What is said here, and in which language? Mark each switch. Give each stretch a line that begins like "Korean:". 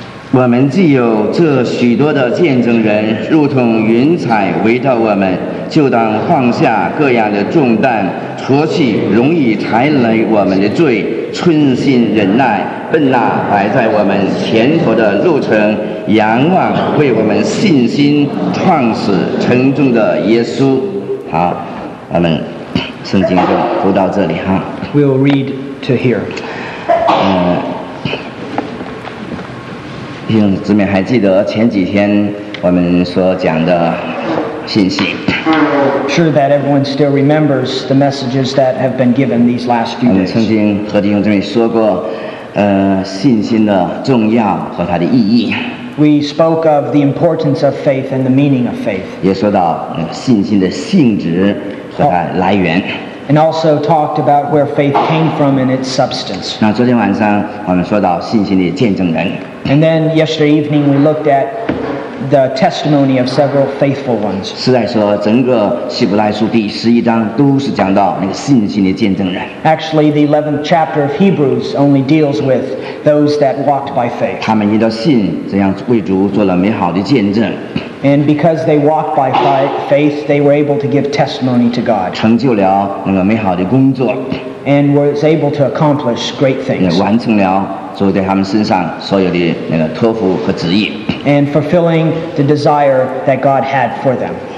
Chinese: 我们既有这许多的见证人如同云彩围着我们就当放下各样的重担脱去容易缠累我们的罪存心忍耐奔那摆在我们前头的路程仰望为我们信心创始成终的耶稣好我们圣经就读到这里哈。
English: We'll read to here.
Chinese: 弟兄姊妹还记得前几天我们所讲的信息。
English: Sure that everyone still remembers the messages that have been given these last few days.
Chinese: 我们曾经和弟兄姊妹说过，信心的重要和它的意义。
English: We spoke of the importance of faith and the meaning of faith.
Chinese: 也说到信心的性质。和它来源
English: and also talked about where faith came from and its substance.
Chinese: 那昨天晚上我们说到信心的见证人
English: and then yesterday evening we looked at the testimony of several faithful ones.
Chinese: 是在说整个希伯来书第十一章都是讲到那个信心的见证人
English: Actually, the 11th chapter of Hebrews only deals with those that walked by faith.
Chinese: 他们因着信怎样为主做了美好的见证。
English: And because they walked by faith, they were able to give testimony to God.
Chinese: 成就了那个美好的工作。
English: And was able to accomplish great things.
Chinese: 完成了主在他们身上所有的那个托付和旨意。
English: And fulfilling the desire that God had for them.